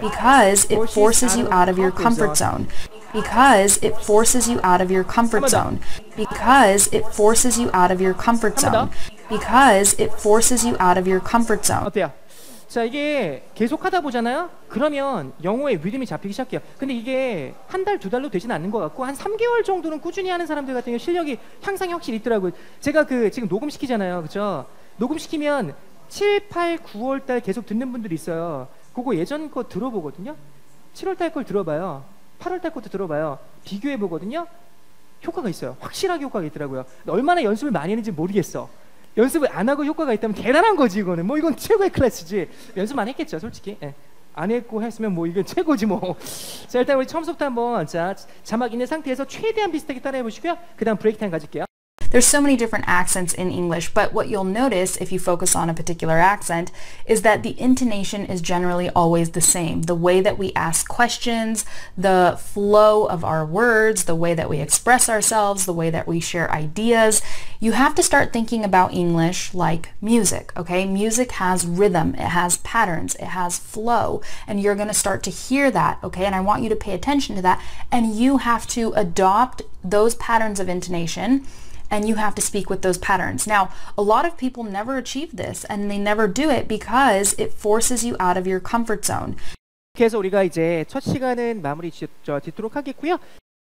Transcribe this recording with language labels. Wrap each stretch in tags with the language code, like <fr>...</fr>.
<en>Because it forces you out of your comfort zone. Because it forces you out of your comfort zone. Because it forces you out of your comfort zone. Because it forces you out of your comfort zone.</en> <ko>어때요? 자, 이게 계속하다 보잖아요? 그러면 영어의 리듬이 잡히기 시작해요. 근데 이게 한 달, 두 달로 되진 않는 것 같고 한 3개월 정도는 꾸준히 하는 사람들 같은 경우 실력이 향상이 확실히 있더라고요. 제가 그 지금 녹음시키잖아요, 그렇죠? 녹음시키면 7, 8, 9월 달 계속 듣는 분들이 있어요. 그거 예전 거 들어보거든요? 7월 달 걸 들어봐요. 8월 달 것도 들어봐요. 비교해보거든요. 효과가 있어요. 확실하게 효과가 있더라고요. 얼마나 연습을 많이 했는지 모르겠어. 연습을 안 하고 효과가 있다면 대단한 거지, 이거는. 뭐 이건 최고의 클래스지. 연습 많이 했겠죠, 솔직히. 네. 안 했고 했으면 뭐 이건 최고지, 뭐. 자, 일단 우리 처음부터 한번 자, 자막 있는 상태에서 최대한 비슷하게 따라해보시고요. 그 다음 브레이크 타임 가질게요.</ko> <en>There's so many different accents in English, but what you'll notice if you focus on a particular accent is that the intonation is generally always the same. The way that we ask questions, the flow of our words, the way that we express ourselves, the way that we share ideas. You have to start thinking about English like music, okay? Music has rhythm, it has patterns, it has flow, and you're going to start to hear that, okay? And I want you to pay attention to that, and you have to adopt those patterns of intonation. And you have to speak with those patterns. Now, a lot of people never achieve this and they never do it because it forces you out of your comfort zone.</en> <ko>그래서 우리가 이제 첫 시간은 마무리 짓도록 하겠고요.</ko>